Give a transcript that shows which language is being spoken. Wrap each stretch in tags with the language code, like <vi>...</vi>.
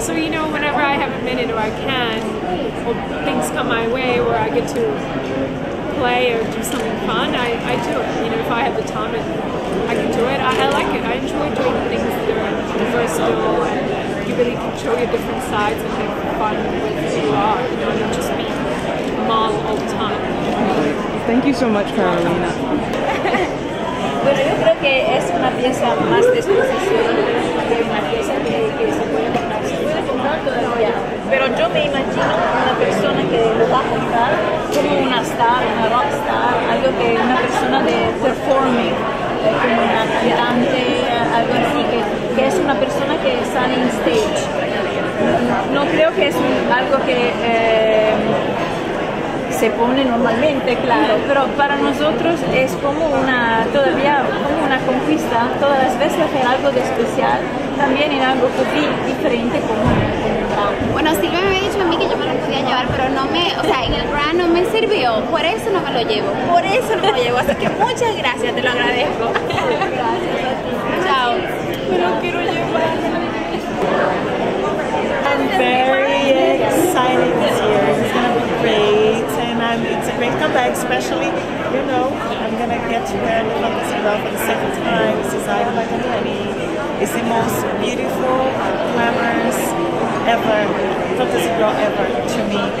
<en>So, you know, whenever I have a minute or I can, or things come my way where I get to play or do something fun, I do it. You know, if I have the time and I can do it, I like it. I enjoy doing things that are versatile and you really can show your different sides and have fun with who you are, you know, and not just be a mom all the time. Thank you so much, Carolina.</en> <es>Bueno, yo creo que es una pieza más de exposición que una pieza que se puede contar todavía. Pero yo me imagino una persona que lo va a contar como una star, una rockstar, algo que una persona de performing, como una cantante, algo así, que es una persona que sale en stage. No creo que es un, algo que... se pone normalmente, claro, pero para nosotros es como una, todavía como una conquista, todas las veces hacer algo de especial, también en algo diferente como un</es> <en>brand.</en> <es>Bueno, sí me había dicho a mí que yo me lo podía llevar, pero no me, o sea, en el brand no me sirvió, por eso no me lo llevo, por eso no me lo llevo, así que muchas gracias, te lo agradezco. Gracias a ti. Chao. Pero quiero llevarlo.</es> <en>I'm very excited this year, it's gonna be great. And it's a great comeback, especially, you know, I'm gonna get to wear the Constance for the second time. This is like my company. It's the most beautiful, glamorous ever, Constance girl ever to me.</en>